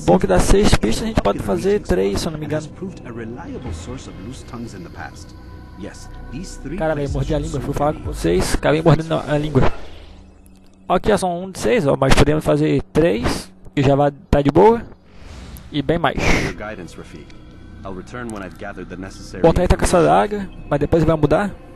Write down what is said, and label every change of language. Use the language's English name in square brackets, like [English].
[Portuguese] Bom, que das 6 pistas a gente pode fazer 3, se não me engano. [English] Proved a reliable source of loose tongues in the past. Yes, these three. [Portuguese] Cara, eu mordi a língua, fui falar com vocês, acabei mordendo a língua. Aqui são 1 de 6, ó, mas podemos fazer 3, que já vai estar de boa. E bem mais. Bom, tá aí, tá com essa daga, mas depois vai mudar.